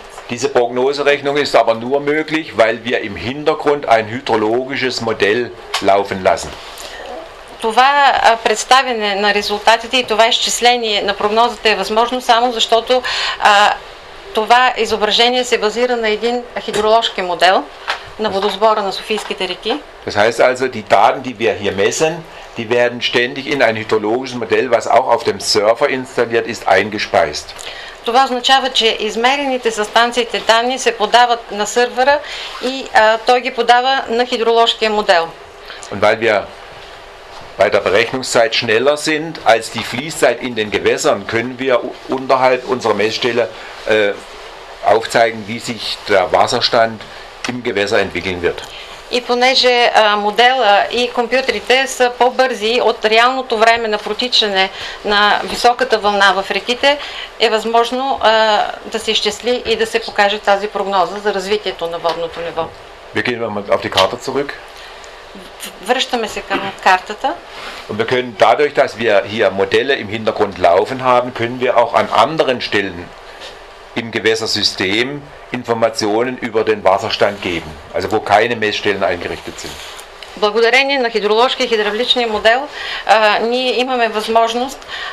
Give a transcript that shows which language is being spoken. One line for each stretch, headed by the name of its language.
German: Diese Prognoserechnung ist aber nur möglich, weil wir im Hintergrund ein hydrologisches Modell laufen lassen.
Bulgarian: Това представяне на резултатите и това изчисление на прогнозата е възможно само защото това изображение се базира на един хидроложки модел на водосбора на Софийските реки.
German: Das heißt also, die Daten, die wir hier messen, die werden ständig in ein hydrologisches Modell, was auch auf dem Server installiert ist, eingespeist.
Bulgarian: Това означава, че измерените със станциите данни се подават на сървъра и той ги подава на хидроложкия модел.
German: Und weil wir bei der Berechnungszeit schneller sind als die Fließzeit in den Gewässern, können wir unterhalb unserer Messstelle aufzeigen, wie sich der Wasserstand im Gewässer entwickeln wird.
Bulgarian: И понеже модела и компютрите са по-бързи от реалното време на протичане на високата вълна в реките, е възможно да се изчисли и да се покаже тази прогноза за развитието на водното ниво.
German: Wir gehen mal auf die Karte zurück.
Bulgarian: Връщаме се към картата.
German: Und wir können dadurch, dass wir hier Modelle im Hintergrund laufen haben, können wir auch an anderen Stellen im Gewässersystem Informationen über den Wasserstand geben, also wo keine Messstellen eingerichtet sind.
Bulgarian: Благодарение на хидроложкия и хидравличния модел, ние имаме възможност